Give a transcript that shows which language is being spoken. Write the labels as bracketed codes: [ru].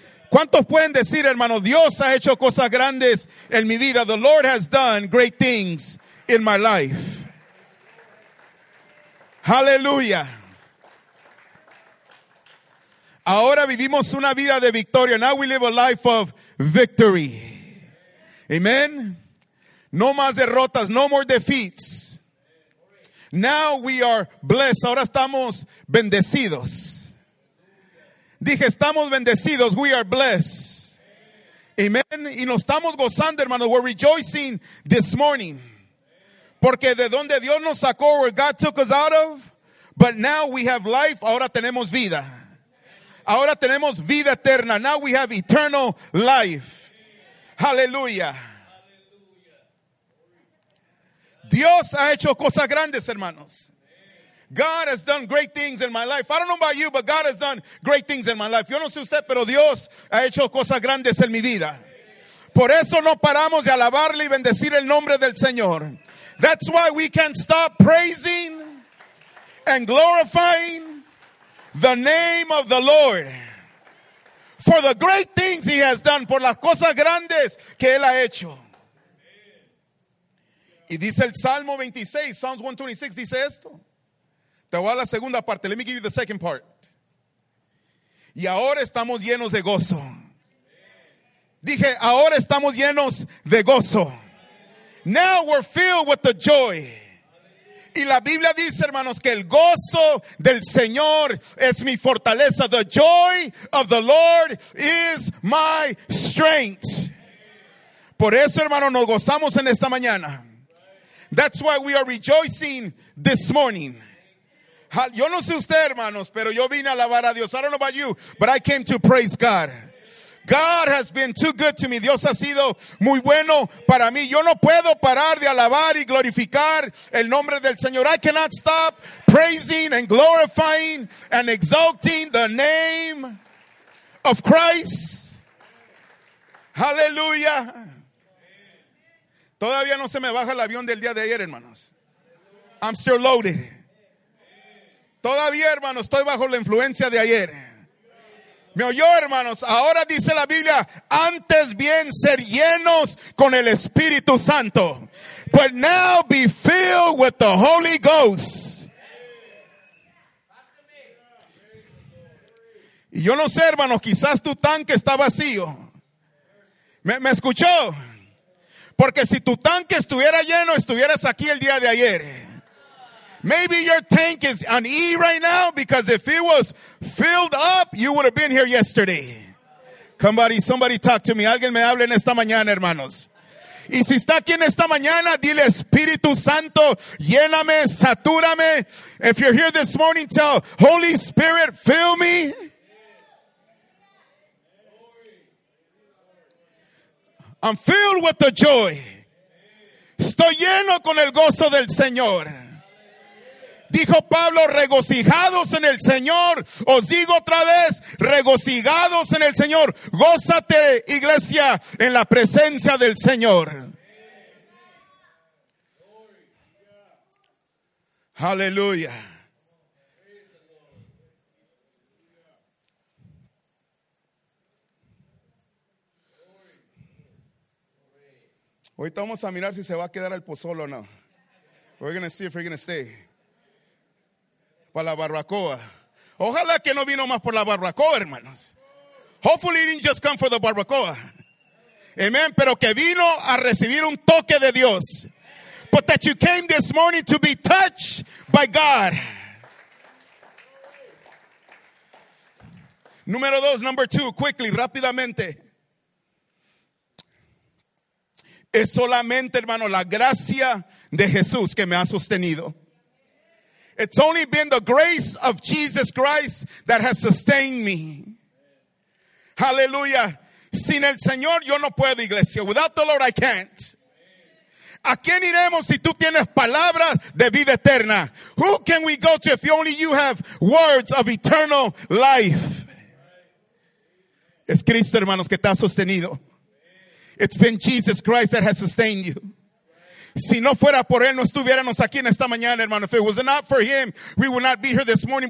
[es] ¿Cuántos pueden decir, hermano, Dios ha hecho cosas grandes en mi vida? [en] The Lord has done great things in my life. Hallelujah. [es] Ahora vivimos una vida de victoria. [en] Now we live a life of victory. [es] Amen. No más derrotas. [en] No more defeats. Now we are blessed. [es] Ahora estamos bendecidos. Dije, estamos bendecidos. [en] We are blessed. [es] Amen. Y nos estamos gozando, hermanos. [en] We're rejoicing this morning. [es] Porque de donde Dios nos sacó, [en] where God took us out of, but now we have life. [es] Ahora tenemos vida. Ahora tenemos vida eterna. [en] Now we have eternal life. Hallelujah. [es] Dios ha hecho cosas grandes, hermanos. [en] God has done great things in my life. I don't know about you, but God has done great things in my life. [es] Yo no sé usted, pero Dios ha hecho cosas grandes en mi vida. Por eso no paramos de alabarle y bendecir el nombre del Señor. [en] That's why we can't stop praising and glorifying the name of the Lord. For the great things he has done. [es] Por las cosas grandes que él ha hecho. Y dice el Salmo 26, Psalms 126, dice esto. Te voy a la segunda parte. [en] Let me give you the second part. [es] Y ahora estamos llenos de gozo. Dije, ahora estamos llenos de gozo. [en] Now we're filled with the joy. [es] Y la Biblia dice, hermanos, que el gozo del Señor es mi fortaleza. [en] The joy of the Lord is my strength. [es] Por eso, hermanos, nos gozamos en esta mañana. [en] That's why we are rejoicing this morning. [es] Yo no sé usted, hermanos, pero yo vine a alabar a Dios. [en] I don't know about you, but I came to praise God. God has been too good to me. [es] Dios ha sido muy bueno para mí. Yo no puedo parar de alabar y glorificar el nombre del Señor. [en] I cannot stop praising and glorifying and exalting the name of Christ. Hallelujah. [es] Todavía no se me baja el avión del día de ayer, hermanos. [en] I'm still loaded. [es] Todavía, hermanos, estoy bajo la influencia de ayer. ¿Me oyó, hermanos? Ahora dice la Biblia, antes bien ser llenos con el Espíritu Santo. [en] But now be filled with the Holy Ghost. [es] Y yo no sé, hermanos, quizás tu tanque está vacío. ¿Me escuchó? Porque si tu tanque estuviera lleno, estuvieras aquí el día de ayer. [en] Maybe your tank is on E right now, because if it was filled up, you would have been here yesterday. Somebody talk to me. [es] Alguien me hable en esta mañana, hermanos. Y si está aquí en esta mañana, dile, Espíritu Santo, lléname, satúrame. [en] If you're here this morning, tell, Holy Spirit, fill me. I'm filled with the joy. [es] Estoy lleno con el gozo del Señor. Dijo Pablo, regocijados en el Señor. Os digo otra vez, regocijados en el Señor. Gózate, iglesia, en la presencia del Señor. Aleluya. Ahorita vamos a mirar si se va a quedar el pozol o no. [en] We're going to see if we're going to stay. [es] Para la barbacoa. Ojalá que no vino más por la barbacoa, hermanos. [en] Hopefully he didn't just come for the barbacoa. Amen. [es] Pero que vino a recibir un toque de Dios. [en] But that you came this morning to be touched by God. [es] Número dos, [en] number two, quickly, [es] rápidamente. Es solamente, hermano, la gracia de Jesús que me ha sostenido. [en] It's only been the grace of Jesus Christ that has sustained me. [es] Hallelujah. Sin el Señor, yo no puedo, iglesia. [en] Without the Lord, I can't. [es] ¿A quién iremos si tú tienes palabras de vida eterna? [en] Who can we go to if only you have words of eternal life? [es] Es Cristo, hermanos, que te ha sostenido. [en] It's been Jesus Christ that has sustained you. [es] Si no fuera por él, no estuviéramos aquí en esta mañana, hermano. [en] If it was not for him, we would not be here this morning.